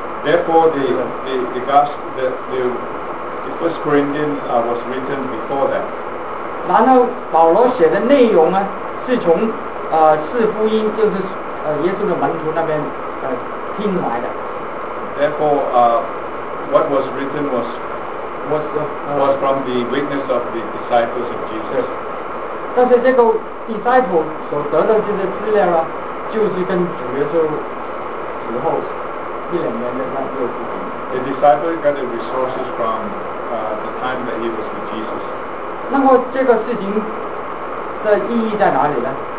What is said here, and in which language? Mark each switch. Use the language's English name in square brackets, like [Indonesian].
[English] Therefore, the First Corinthians was written before that。 [Chinese] 然后保罗写的内容呢，是从四福音就是。耶稣的门徒那边听来的。 [English] Therefore, what was written was from the witness of the disciples of Jesus. [Chinese] 但是这个 disciple 所得到这些资料啊，就是跟主耶稣死后一两年的那个事情。 [English] The disciple got the resources from the time that he was with Jesus. [Chinese] 那么这个事情的意义在哪里呢？